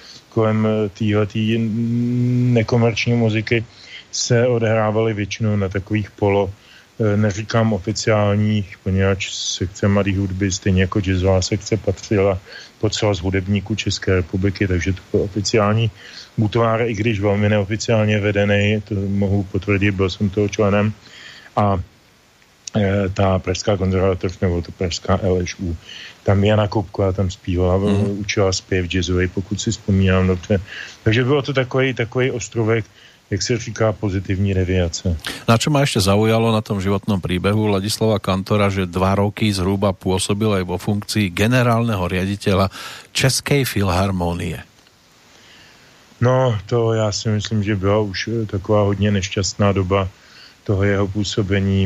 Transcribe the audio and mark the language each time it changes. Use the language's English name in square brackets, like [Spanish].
[Czech] kolem téhletý nekomerční muziky se odehrávaly většinou na takových polo, neříkám oficiálních, poněvadž sekce mladý hudby, stejně jako jazzová sekce, patřila pod svaz hudebníků České republiky, takže to byl oficiální útvar, i když velmi neoficiálně vedený, to mohu potvrdit, byl jsem toho členem, a ta pražská konzervatoř, nebo to pražská LŠU, tam Jana Kupková tam zpívala, učila zpěv jazzový, pokud si vzpomínám dobře. Takže bylo to takový ostrovek, jak se říká, pozitivní deviace. [Slovak] Na čo ma ještě zaujalo na tom životnom príbehu Ladislava Kantora, že dva roky zhruba působil aj vo funkcii generálneho riaditeľa Českej filharmonie? [Czech] No, to já si myslím, že byla už taková hodně nešťastná doba toho jeho působení.